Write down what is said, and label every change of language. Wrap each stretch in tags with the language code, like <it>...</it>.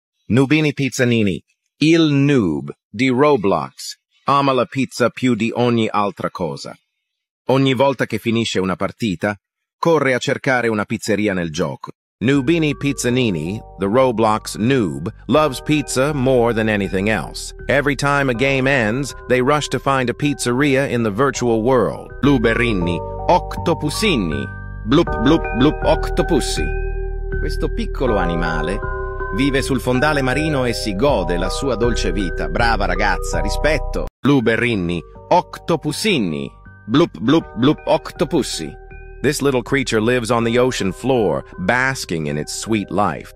<it>Nubini Pizzanini, Il Noob di Roblox, ama la pizza più di ogni altra cosa. Ogni volta che finisce una partita, corre a cercare una pizzeria nel gioco.</it> <en>Nubini Pizzanini, the Roblox noob, loves pizza more than anything else. Every time a game ends, they rush to find a pizzeria in the virtual world. Blueberrini, Octopusini, bloop bloop bloop octopussi.</en> <it>Questo piccolo animale vive sul fondale marino e si gode la sua dolce vita. Brava ragazza, rispetto. Blueberrini, Octopusini, bloop bloop bloop octopussi.</it> <en>This little creature lives on the ocean floor, basking in its sweet life.</en>